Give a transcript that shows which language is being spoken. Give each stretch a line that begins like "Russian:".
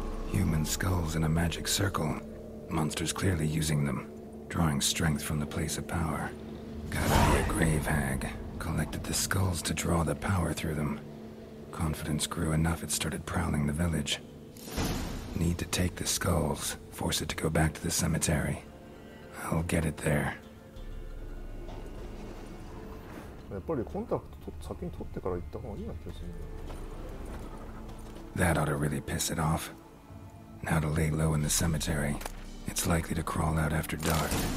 English: Human skulls in a magic circle. Monsters clearly using them, drawing strength from the place of power. Gotta be a grave hag. Collected the skulls to draw the power through them. Confidence grew enough it started prowling the village. Need to take the skulls, force it to go back to the cemetery. I'll get it there.
Japanese: やっぱりコンタクト先に取ってから行った方がいいな気がするね。
English: That ought to really piss it off. Now to lay low in the cemetery. It's likely to crawl out after dark.